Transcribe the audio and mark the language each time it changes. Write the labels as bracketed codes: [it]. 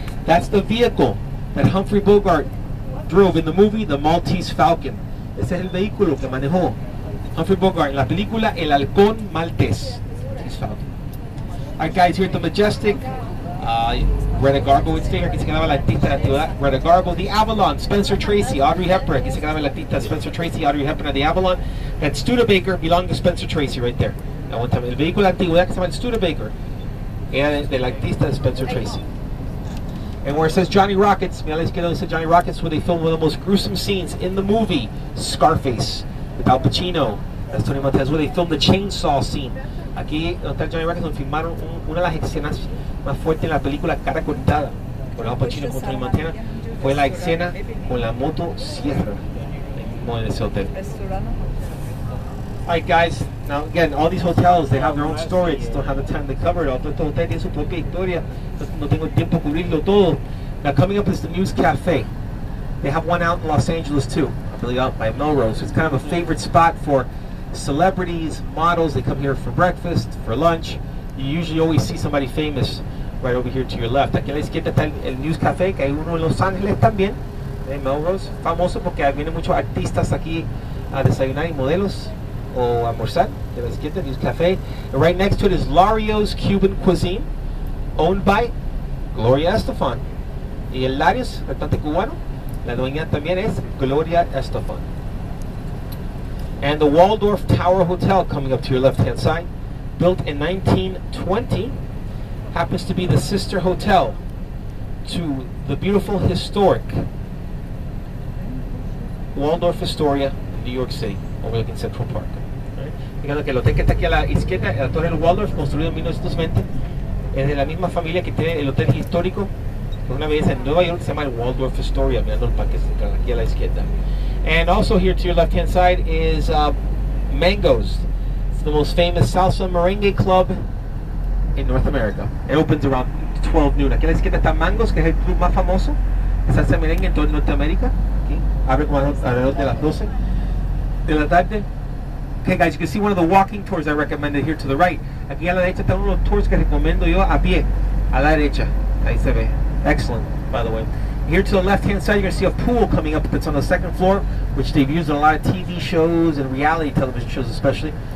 [en] That's the vehicle that Humphrey Bogart drove in the movie The Maltese Falcon. [es] Ese es el vehículo que manejó Humphrey Bogart en la película El Halcón Maltés. [en] Alright guys, here at the Majestic, Greta Garbo is there, [es] aquí se quedaba la artista de antigüedad, [en] Greta Garbo, The Avalon, Spencer Tracy, Audrey Hepburn, [es] aquí se quedaba la artista, [en] Spencer Tracy, Audrey Hepburn of The Avalon, that Studebaker belonged to Spencer Tracy right there. Now one time, [es] el vehículo de antigüedad que se llama Studebaker, era de la artista Spencer Tracy. [en] And where it says Johnny Rockets, [es] mira a la izquierda dice Johnny Rockets, [en] where they filmed one of the most gruesome scenes in the movie, Scarface, with Al Pacino, that's Tony Montez, where they filmed the chainsaw scene. [es] Aquí está Johnny Rockets, donde filmaron una de las escenas más fuertes en la película Cara Cortada, por Al Pacino con Tony Montana, fue la escena con la moto sierra en ese hotel. [en] Alright guys, now again, all these hotels, they have their own stories, don't have the time to cover it all. [es] Todos estos hoteles tienen su propia historia, no tengo tiempo de cubrirlo todo. [en] Now coming up is the News Cafe. They have one out in Los Angeles too, I believe out by Melrose. It's kind of a favorite spot for celebrities, models. They come here for breakfast, for lunch. You usually always see somebody famous right over here to your left. [es] Aquí a la izquierda está el News Cafe, que hay uno en Los Ángeles también, en Melrose. Famoso porque vienen muchos artistas aquí a desayunar y modelos o almorzar. A la izquierda, [en] News Cafe. And right next to it is Lario's Cuban Cuisine, owned by Gloria Estefan. [es] Y el Lario's, cantante cubano, la dueña también es Gloria Estefan. [en] And the Waldorf Tower Hotel, coming up to your left-hand side, built in 1920, happens to be the sister hotel to the beautiful historic Waldorf Astoria, New York City, overlooking Central Park. [es] Fíjate que el hotel que está aquí a la izquierda, la Torre del Waldorf, construido en 1920, es de la misma familia que tiene el hotel histórico, que una vez en Nueva York se llama el Waldorf Astoria, mirando el parque central aquí a la izquierda. [en] And also here to your left-hand side is Mango's. It's the most famous salsa merengue club in North America. It opens around 12 noon. [es] Aquí a la izquierda está Mango's, que es el club más famoso de salsa merengue en toda Norteamérica. Aquí, abre como alrededor de las 12 de la tarde. [en] Okay, guys, you can see one of the walking tours I recommended here to the right. [es] Aquí a la derecha está uno de los tours que recomiendo yo a pie, a la derecha. Ahí se ve. [en] Excellent, by the way. Here to the left-hand side, you're going to see a pool coming up that's on the second floor, which they've used in a lot of TV shows and reality television shows especially.